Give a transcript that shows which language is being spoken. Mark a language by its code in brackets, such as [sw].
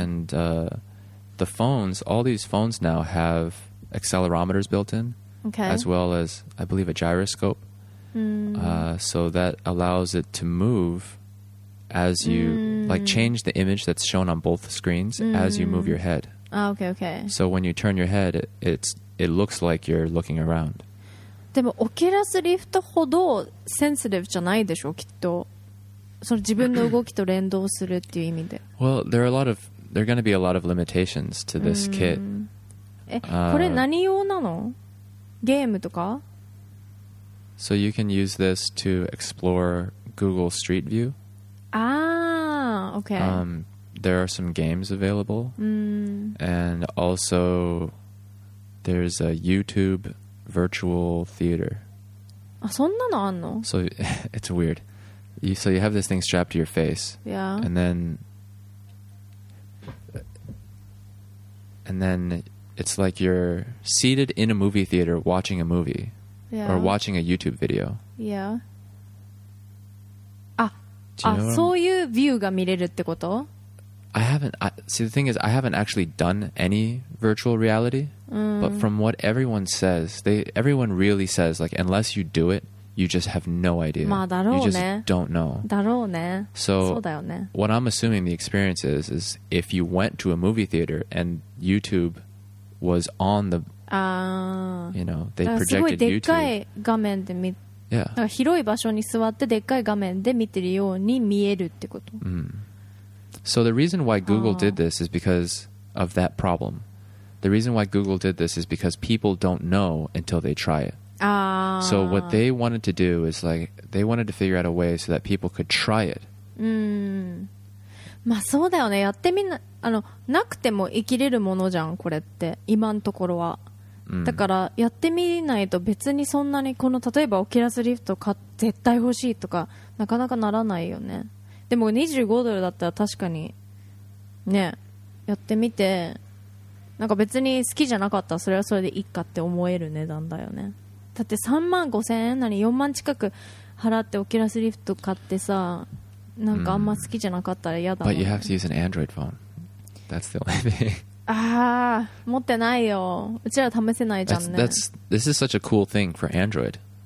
[en] And the phones, all these phones now have accelerometers built in, as well as I believe a gyroscope. So that allows it to move as you like change the image that's shown on both screens as you move your head. Ah, okay, okay. So when you turn your head, it looks like you're looking around. [ja] でもオキュラスリフトほどセンシティブじゃないでしょ、きっと。その自分の動きと連動するっていう意味で。 [en] Well, there are going to be a lot of limitations to this kit. [ja] これ何用なの？ゲームとか？ [en] So you can use this to explore Google Street View. Ah, okay. There are some games available. And also, there's a YouTube virtual theater. [ja] Ah, そんなのあんの? [en] So it's weird. So you have this thing strapped to your face. Yeah. And then it's like you're seated in a movie theater watching a movie. Yeah. Or watching a YouTube video. Yeah. [ja] Ah, そういうビューが見れるってこと? [en] The thing is, I haven't actually done any virtual reality. But from what everyone says, everyone really says, like, unless you do it, you just have no idea. [ja] まあだろうね。 [en] You just don't know. [ja] だろうね。 [en] So, [ja] そうだよね。 [en] What I'm assuming the experience is if you went to a movie theater and YouTube was on the... you know, they projected YouTube. [ja] すごいでっかい画面で見、なんか広い場所に座ってでっかい画面で見てるように見えるってこと。 Mm. [en] So the reason why Google did this is because of that problem. The reason why Google did this is because people don't know until they try it. So what they wanted to do is like, they wanted to figure out a way so that people could try it. [ja] まあそうだよね。やってみな、なくても生きれるものじゃん、これって。今のところは。だからやってみないと別にそんなにこの例えばオキュラスリフト絶対欲しいとかなかなかならないよね。でも25ドルだったら確かにね、やってみてなんか別に好きじゃなかったらそれはそれでいいかって思える値段だよね。だって3万5千円何4万近く払ってオキュラスリフト買ってさ、なんかあんま好きじゃなかったら嫌だもん、ね。 [en] But you have to use an Android phone. That's the only thing. [ja] ああ、持ってないよ。うちら試せないじゃんね。 [en] This is such a cool thing for Android.